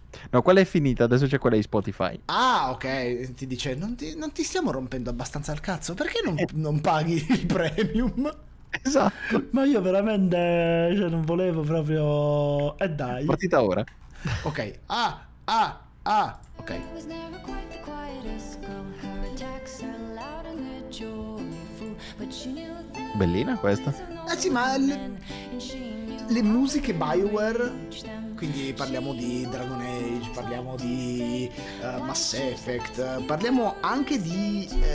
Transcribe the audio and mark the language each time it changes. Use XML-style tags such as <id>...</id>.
<it>No, quella è finita. Adesso c'è quella di Spotify. Ah, ok. Ti dice, non ti stiamo rompendo abbastanza il cazzo? Perché non paghi il premium? Esatto. Ma io veramente, cioè, non volevo proprio. E dai. Partita ora. Ok. Ah, ok.</it> <en>I was never quite the quietest girl. Her attacks are loud and they're joyful. But she knew that.</en> <it>Bellina questa. Sì, ma le musiche BioWare. Quindi parliamo di Dragon Age, parliamo di Mass Effect, parliamo anche di.</it>